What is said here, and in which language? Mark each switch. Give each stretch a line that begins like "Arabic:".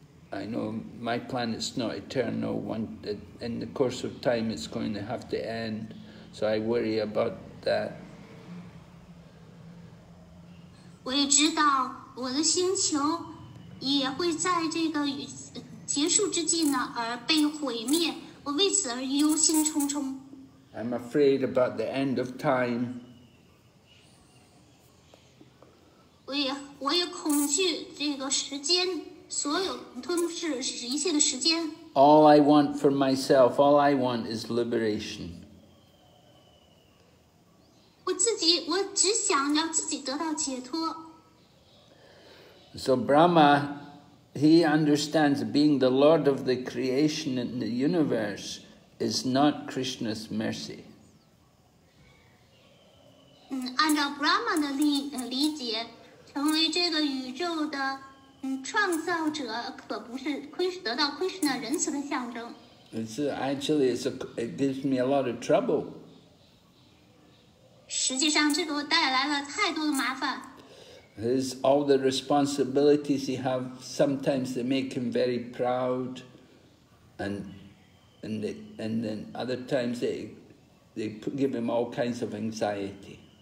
English: I know my planet's not eternal. In the course of time, it's going to have to end. So I worry about that.
Chinese: 我也知道我的星球也会在这个结束之际呢而被毁灭，我为此而忧心忡忡。
English: I'm afraid about the end of time.
Chinese: 我也恐惧这个时间，所有吞噬一切的时间。
English: All I want for myself, all I want is liberation.
Chinese: 我只想要自己得到解脱。
English: So Brahma, he understands being the Lord of the creation in the universe. Is not Krishna's mercy.
Chinese: 按照 Brahma 的理解，成为这个宇宙的创造者可不是得到 Krishna 仁慈的象征。
English: It gives me a lot of trouble.
Chinese: 实际上，这个带来了太多的麻烦。
English: All the responsibilities he have, sometimes they make him very proud, and then other times they give him all kinds of anxiety.